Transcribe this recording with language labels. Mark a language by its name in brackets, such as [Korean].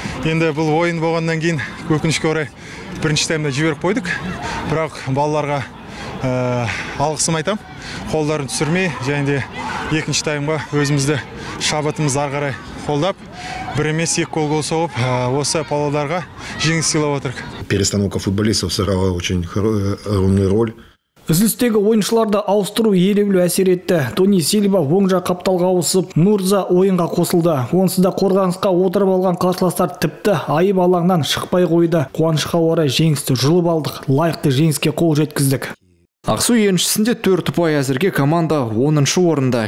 [Kazakh] Енді бұл ойын болғаннан кейін өкінішке орай бірінші таймда жіберіп қойдық. Бірақ балаларға алғысым айтам. Қолдарын түсірмей және де екінші таймға өзімізді шабытымыз ары қарай қолдап, бір емес екі гол соғып, осы павлодарға жеңіс сыйлап отырдық. [Russian] Перестановка футболистов сыграла очень огромную роль. [Kazakh] Үзілістегі ойыншыларды ауыстыру елеулі әсер етті. Тони Сильва оң жақ қапталға ауысып, Мурза ойынға қосылды. Онсыз да қорғанысқа отырып алған қарсыластар тіпті айып алаңнан шықпай қойды. Қуанышқа орай жеңісті жұлып алдық, лайықты жеңіске қол жеткіздік. Ақсу еншісінде 4 ұпай, әзірге команда 10-шы орында.